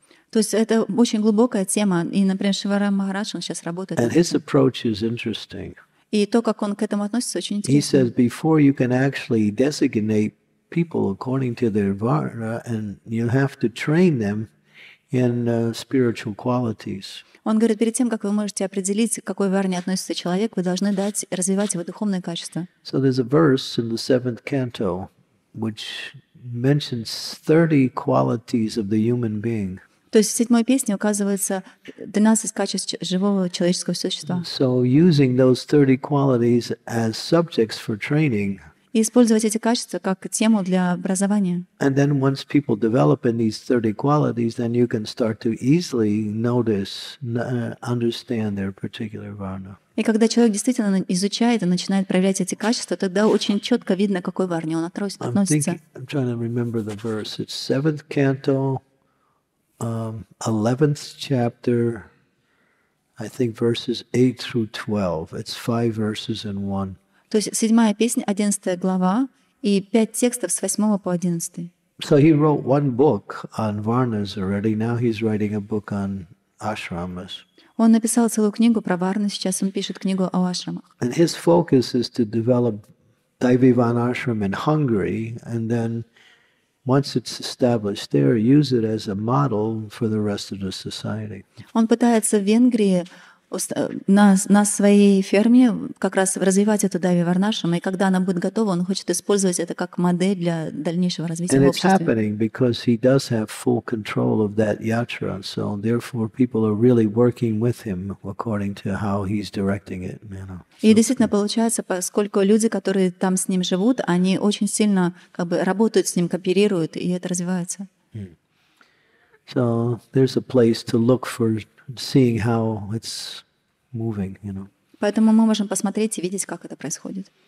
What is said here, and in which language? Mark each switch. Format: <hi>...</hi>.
<ru>То есть это очень глубокая тема, и, например, Шиварам Махарадж, он сейчас работает.</ru> <en>And his approach is interesting.</en> <ru>И то, как он к этому относится, очень интересно.</ru> <en>He says, before you can actually designate people according to their varna, and you have to train them in spiritual qualities.</en> <ru>Он говорит, перед тем, как вы можете определить, к какой варне относится человек, вы должны дать, развивать его духовные качества.</ru> <en>So there's a verse in the seventh canto, which mentions 30 qualities of the human being.</en> <ru>То есть в седьмой песне указывается 12 качеств живого человеческого существа.</ru> <en>So using those 30 qualities as subjects for training.</en> <ru>И использовать эти качества как тему для образования.</ru> <en>And then once people develop in these 30 qualities, then you can start to easily notice, understand their particular varna.</en> <ru>И когда человек действительно изучает и начинает проявлять эти качества, тогда очень четко видно, к какой варне он относится.</ru> <en>I'm trying to remember the verse. It's seventh canto. 11th chapter, I think verses 8 through 12. It's 5 verses in one.</en> <ru>То есть седьмая песня, 11 глава и 5 текстов с 8 по 11.</ru> <en>So he wrote one book on varnas already. Now he's writing a book on ashramas.</en> <ru>Он написал целую книгу про варны, сейчас он пишет книгу о ашрамах.</ru> <en>And his focus is to develop Daivivan ashram in Hungary and then once it's established there, use it as a model for the rest of the society.</en> <ru>Он пытается в Венгрии на своей ферме как раз развивать эту дайви варнашрам, и когда она будет готова, он хочет использовать это как модель для дальнейшего развития общества.</ru> <en>And it's happening because he does have full control of that yatra, so therefore people are really working with him according to how he's directing it, you know.</en> <ru>И действительно получается, поскольку люди, которые там с ним живут, они очень сильно как бы работают с ним, кооперируют, и это развивается.</ru> <en>So there's a place to look for seeing how it's moving, you know.</en> <ru>Поэтому мы можем посмотреть и видеть, как это происходит.</ru>